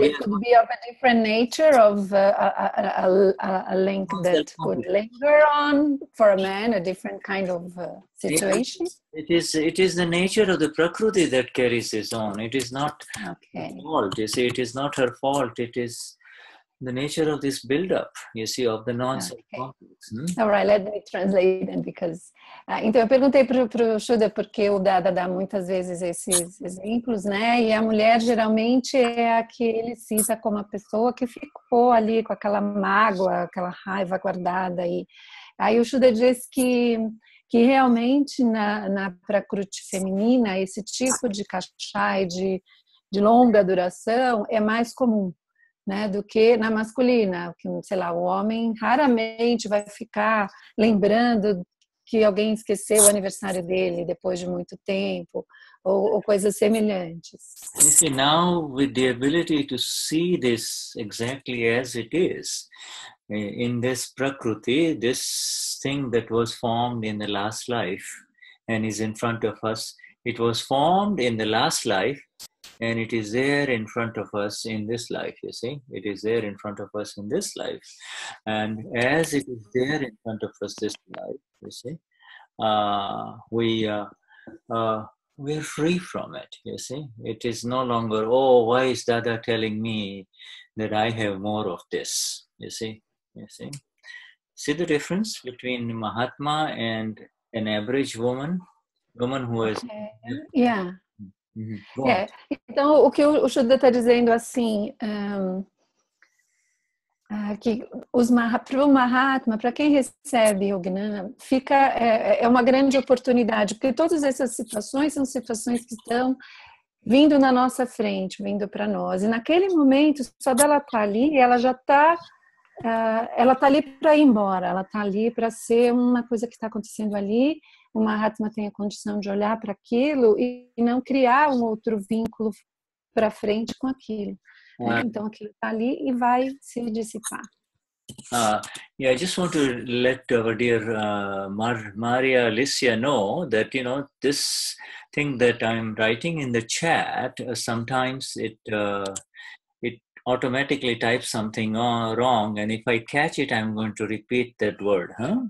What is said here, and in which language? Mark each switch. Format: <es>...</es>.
<en>it could be of a different nature of a link that could linger on for a man, a different kind of situation. It is the nature of the prakriti that carries this on. It is not her fault, you see. It is not her fault. It is the nature of this build-up, you see, of the non-self-conflicts. All right, let me translate then, because...</en> <pt>então, eu perguntei para o Shuddha porque o Dada dá muitas vezes esses exemplos, né? E a mulher geralmente é a que ele cita como a pessoa que ficou ali com aquela mágoa, aquela raiva guardada. E aí o Shuddha diz que realmente na prakruti feminina esse tipo de kashai de longa duração é mais comum, né, do que na masculina, que, sei lá, o homem raramente vai ficar lembrando que alguém esqueceu o aniversário dele depois de muito tempo, ou coisas semelhantes.</pt> <en>You see, now with the ability to see this exactly as it is, in this prakriti, this thing that was formed in the last life and is in front of us, it was formed in the last life and it is there in front of us in this life, you see? It is there in front of us in this life. And as it is there in front of us this life, you see, we're free from it, you see. It is no longer, oh, why is Dada telling me that I have more of this, you see? You see? See the difference between Mahatma and an average woman who is... Okay. Yeah.</en> <pt>Mm-hmm. Yeah. Então, o que o Shuddha está dizendo, assim, Que os Mahatma, para quem recebe o Gnana, fica é uma grande oportunidade, porque todas essas situações são situações que estão vindo na nossa frente, vindo para nós. E naquele momento, só dela estar ali, ela já está. Ela está ali para ir embora, ela está ali para ser uma coisa que está acontecendo ali. O Mahatma tem a condição de olhar para aquilo e não criar um outro vínculo para frente com aquilo. Então aquilo está ali e vai se dissipar.</pt> <en>Yeah, I just want to let our dear Maria Alicia know that, you know, this thing that I'm writing in the chat, sometimes it automatically types something wrong, and if I catch it, I'm going to repeat that word, huh?</en>